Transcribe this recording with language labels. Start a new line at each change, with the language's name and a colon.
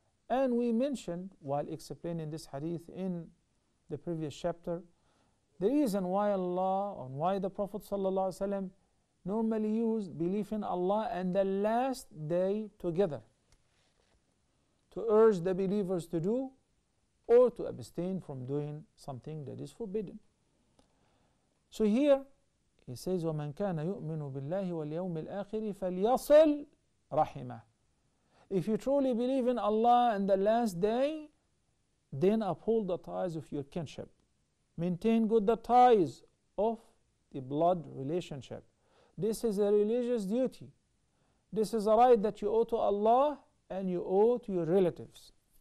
English: And we mentioned, while explaining this hadith in the previous chapter, the reason why Allah and why the Prophet ﷺ normally used belief in Allah and the last day together to urge the believers to do or to abstain from doing something that is forbidden. So here he says,
Arabic: وَمَنْ كَانَ يُؤْمِنُ بِاللَّهِ وَالْيَوْمِ الْآخِرِ فَلْيَصِلْ رَحِمَهِ.
English: If you truly believe in Allah and the last day, then uphold the ties of your kinship. Maintain good the ties of the blood relationship. This is a religious duty. This is a right that you owe to Allah and you owe to your relatives.